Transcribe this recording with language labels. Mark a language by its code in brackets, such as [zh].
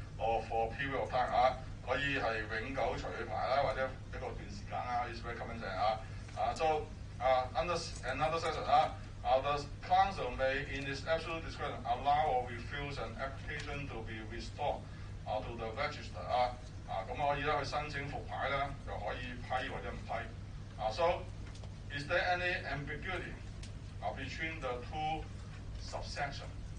[en] or for a period of time, [zh] 可以是永久除牌或者一个段时间, [en] it's very common thing. Another session, the council may, in its absolute discretion, allow or refuse an application to be restored to the register. [zh] 可以申请复牌,又可以批或者不批. [en] So, is there any ambiguity between the two subsections?